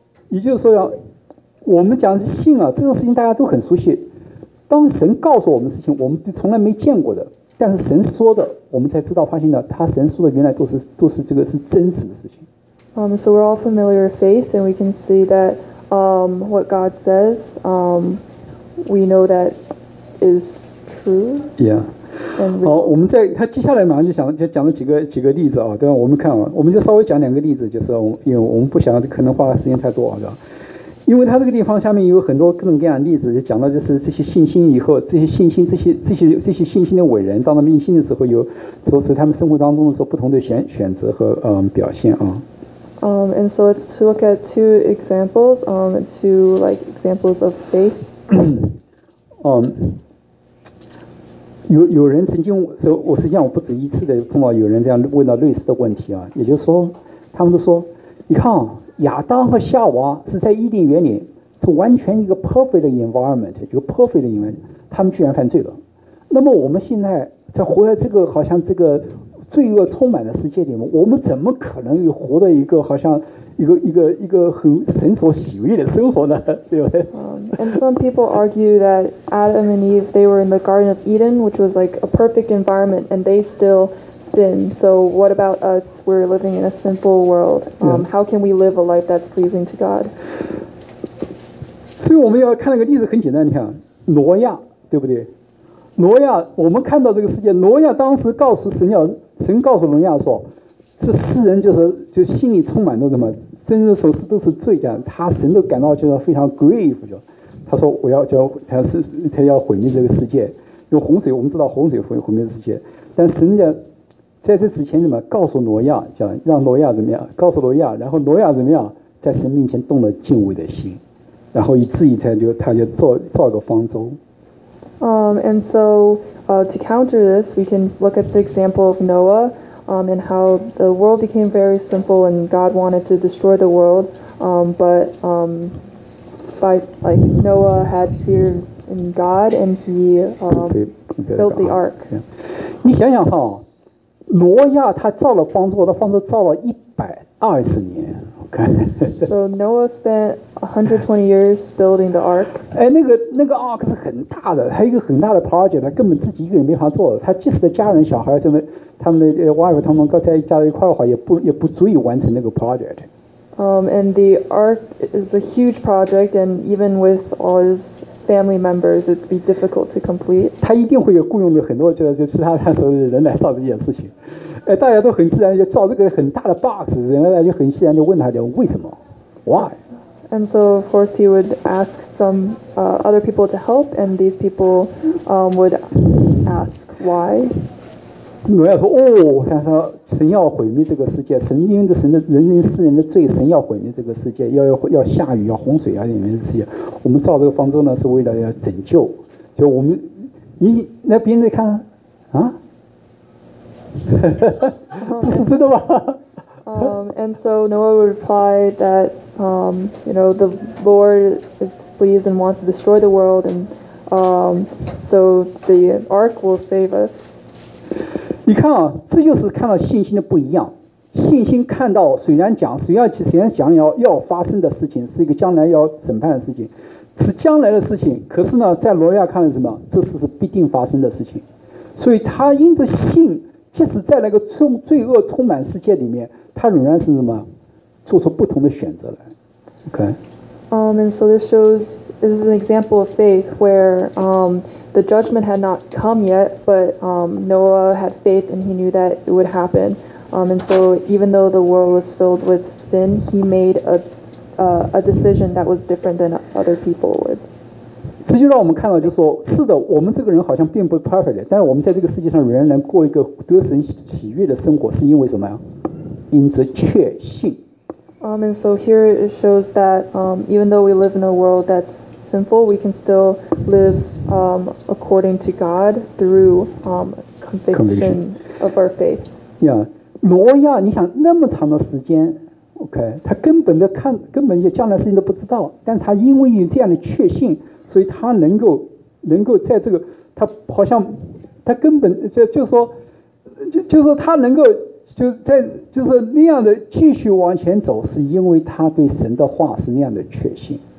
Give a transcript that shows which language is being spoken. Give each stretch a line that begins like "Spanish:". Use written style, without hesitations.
Chinese: 也就是说要我们讲是信啊，这个事情大家都很熟悉。当神告诉我们事情，我们从来没见过的。但是神说的，我们才知道发现的，他神说的原来都是这个是真实的事情。
English: So we're all familiar with faith, and we can see that what God says, we know that is true. Yeah.
Chinese: 好，我们在他接下来马上就讲了几个例子啊，对吧？我们看啊，我们就稍微讲两个例子，就是因为我们不想可能花的时间太多啊，对吧？因为他这个地方下面有很多各种各样的例子，讲到就是这些信心以后，这些信心的伟人，当他们信的时候，有说是他们生活当中的时候不同的选择和表现啊。
English: And so let's look at two examples, two like examples of faith.
Chinese: 有人曾经，所以我实际上我不止一次的碰到有人这样问到类似的问题啊，也就是说，他们都说，你看啊。亚当和夏娃是在伊甸园里，是完全一个
English: perfect environment，
Chinese: 一个 perfect environment， 他们居然犯罪了。那么我们现在在活在这个好像这个罪恶充满的世界里面，我们怎么可能活在一个好像一个很神所喜悦的生活呢？对不对？
English: And some people argue that Adam and Eve they were in the Garden of Eden, which was like a perfect environment, and they still sin. So what about us? We're living in a sinful world. How can we live a life that's pleasing to God?
Chinese: 所以我们要看那个例子很简单，你看挪亚，对不对？挪亚，我们看到这个世界，挪亚当时告诉神要，神告诉挪亚说，这世人就心里充满了什么，真正所思都是罪的，他神都感到就是非常 grieve， 就他说我要叫他是他要毁灭这个世界，有洪水，我们知道洪水毁灭世界，但神家。在这之前怎么告诉挪亚，讲让挪亚怎么样告诉挪亚，然后挪亚怎么样在神面前动了敬畏的心，然后以至于他就造个方舟。
English: And so to counter this we can look at the example of Noah and how the world became very simple and God wanted to destroy the world but by like Noah had fear in God and he built the ark.
Chinese: 你想想哈，挪亚他造了方舟，他方舟造了120年。
English: Okay. So Noah spent 120 years building the ark.
Chinese: 哎，那个 ark 是很大的，还有一个很大的 project， 他根本自己一个人没法做的。他即使的家人、小孩什么，他们的 wife 他们在加在一块的话，也不足以完成那个 project。
English: And the ark is a huge project, and even with all his family members, it'd be difficult to complete.
Chinese: 他一定会有雇佣的很多，就其他的所有人来造这件事情。哎，大家都很自然就造这个很大的 box， 人家就很自然就问他讲为什么 ，why？
English: And so, of course, he would ask some other people to help, and these people would ask why.
Chinese: 挪亚说：“哦，他说神要毁灭这个世界，神因着神的人人世人的罪，神要毁灭这个世界，要下雨，要洪水，要毁灭这个世界。我们造这个方舟呢，是为了要拯救。就我们，你那别人在看啊，这是真的吗？”
English: And so Noah would reply that, you know, the Lord is displeased and wants to destroy the world, and so the ark will save us.
Chinese: 你看啊，这就是看到信心的不一样。信心看到虽然讲要发生的事情是一个将来要审判的事情，是将来的事情，可是呢在挪亚看的什么，这事是必定发生的事情，所以他因着信，即使在那个罪恶充满世界里面，他仍然是什么做出不同的选择来。
English: OK And so this is an example of faith where the judgment had not come yet, but Noah had faith and he knew that it would happen. And so even though the world was filled with sin, he made a decision that was different than other people would.
Chinese: 这就让我们看到，就是说，是的，我们这个人好像并不 perfect， 但是我们在这个世界上仍然过一个得神喜悦的生活，是因为什么呀？因着确信。
English: And so here it shows that even though we live in a world that's sinful, we can still live according to God through conviction of our faith.
Chinese: Yeah, 挪亚，你想那么长的时间。 OK， 他根本的看，根本就将来事情都不知道，但他因为有这样的确信，所以他能够在这个，他好像他根本就是说他能够就在就是那样的继续往前走，是因为他对神的话是那样的确信。